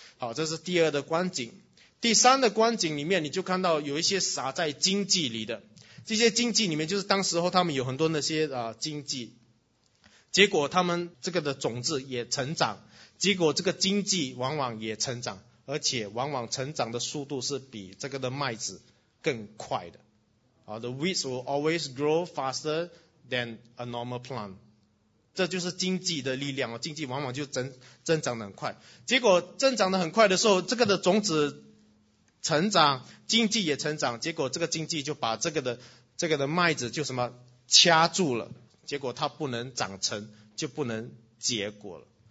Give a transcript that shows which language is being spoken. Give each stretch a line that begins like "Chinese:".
Chinese: 好，这是第二的光景。第三的光景里面，你就看到有一些撒在荆棘里的。这些荆棘里面就是当时候他们有很多那些荆棘，结果他们这个的种子也成长，结果这个荆棘往往也成长，而且往往成长的速度是比这个的麦子更快的。
English: The weeds will always grow faster than a normal plant.
Chinese: 这就是荆棘的力量，荆棘往往就增长得很快。结果增长得很快的时候，这个的种子成长，经济也成长，结果这个经济就把这个的麦子就什么掐住了，结果它不能长成，就不能结果了。